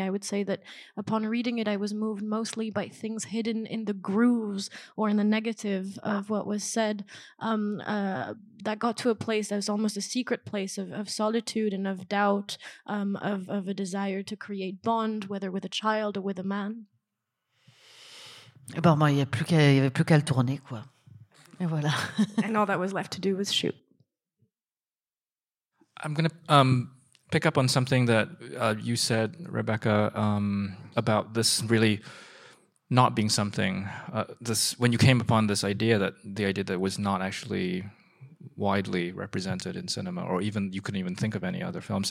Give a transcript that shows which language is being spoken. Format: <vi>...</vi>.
<en>I would say that upon reading it, I was moved mostly by things hidden in the grooves or in the negative of what was said. That got to a place that was almost a secret place of solitude and of doubt, of a desire to create bond, whether with a child or with a man.</en> <fr>Bon, moi, il n'y avait plus qu'à le tourner, quoi. Et voilà.</fr> <en>And all that was left to do was shoot. I'm going to pick up on something that you said, Rebecca, about this really not being something. This, when you came upon this idea, that the idea that was not actually widely represented in cinema, or even you couldn't even think of any other films.</en>